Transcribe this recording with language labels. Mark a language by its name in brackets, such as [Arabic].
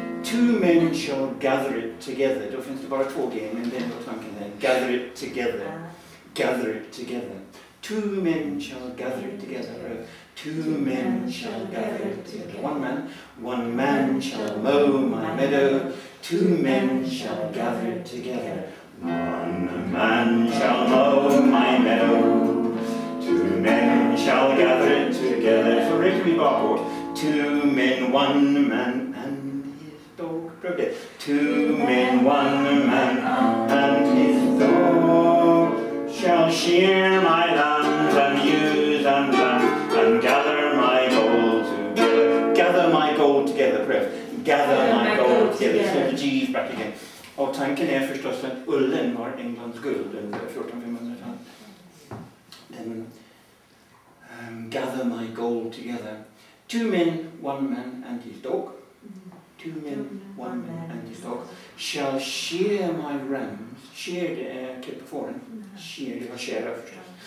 [English] Two men shall gather it together. [Swedish] Då finns det bara två gäng, men det är bara tanken där. [English] Gather it together. Gather it together. Two men shall gather it together. Two men shall gather it together. One man shall mow my meadow. Two men shall gather it together. One man shall mow my meadow. Two men shall gather it together. For Rickley Barport. Two men, one man, and his dog. Two men, one man, and his dog. Shall shear my lambs and ewes and lambs and gather my gold together. Gather my gold together, prayer. Gather my gold together. Slip the G's back again. [Swedish] Och tanken är förstås att ullen var Englands guld under 1400-talet. [English] Then, gather my gold together. Two men, one man and his dog. Two men, one man and his dog. Shall shear my rams. [Swedish] Shear, det är klipp foran. Shear, det var shear förstås.